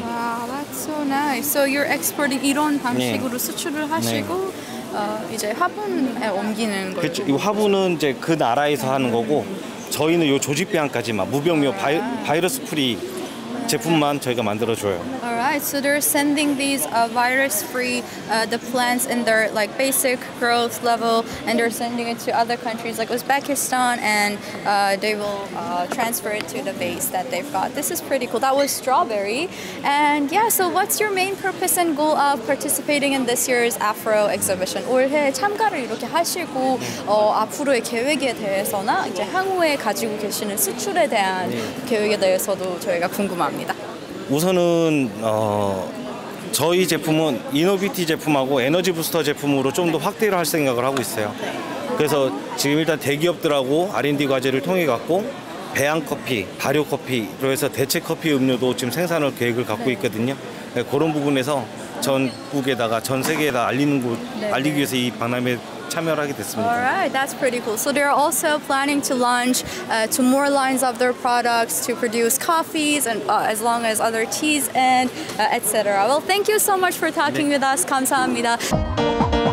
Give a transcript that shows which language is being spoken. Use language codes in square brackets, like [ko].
[en] Wow, that's so nice. So you're exporting [ko] 이런 방식으로 네. 수출을 하시고 네. 이제 화분에 옮기는 거죠. 그렇죠. 이 화분은 이제 그 나라에서 하는 거고 저희는 요 조직 배양까지 막 무병용 바이러스 프리 제품만 저희가 만들어 줘요. [en] Alright, so they're sending these virus-free the plants in their like basic growth level, and they're sending it to other countries like Uzbekistan, and they will transfer it to the base that they've got. This is pretty cool. That was strawberry, and yeah. So, what's your main purpose and goal of participating in this year's Afro exhibition? [ko] 올해 참가를 이렇게 하시고 앞으로의 계획에 대해서나 이제 향후에 가지고 계시는 수출에 대한 계획에 대해서도 저희가 궁금합니다. 우선은 저희 제품은 이노비티 제품하고 에너지 부스터 제품으로 좀 더 확대를 할 생각을 하고 있어요. 그래서 지금 일단 대기업들하고 R&D 과제를 통해 갖고 배양 커피, 발효 커피로 해서 대체 커피 음료도 지금 생산할 계획을 갖고 있거든요. 네, 그런 부분에서 전국에다가 전 세계에다 알리기 위해서 이 박람회 참여를 하게 됐습니다. [en] All right, that's pretty cool. So they're also planning to launch to more lines of their products to produce coffees and as long as other teas and etc. Well, thank you so much for talking with us. [ko] 감사합니다.